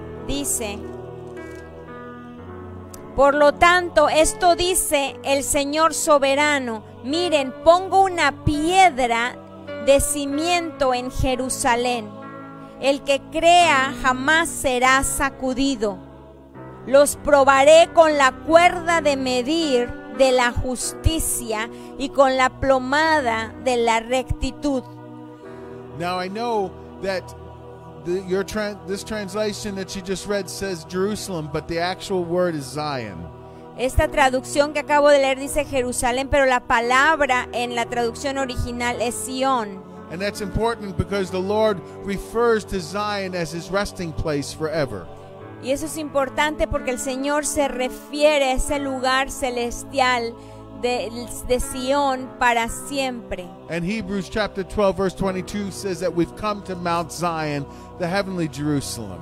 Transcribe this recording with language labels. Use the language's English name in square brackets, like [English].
[Spanish] Dice, por lo tanto, esto dice el Señor soberano, miren, pongo una piedra de cimiento en Jerusalén, el que crea jamás será sacudido, los probaré con la cuerda de medir de la justicia y con la plomada de la rectitud. [English] Now I know that this translation that you just read says Jerusalem, but the actual word is Zion. [Spanish] Esta traducción que acabo de leer dice Jerusalén, pero la palabra en la traducción original es Sion. [English] And that's important because the Lord refers to Zion as his resting place forever. [Spanish] Y eso es importante porque el Señor se refiere a ese lugar celestial de Sion para siempre. [English] And Hebrews chapter 12 verse 22 says that we've come to Mount Zion, the heavenly Jerusalem.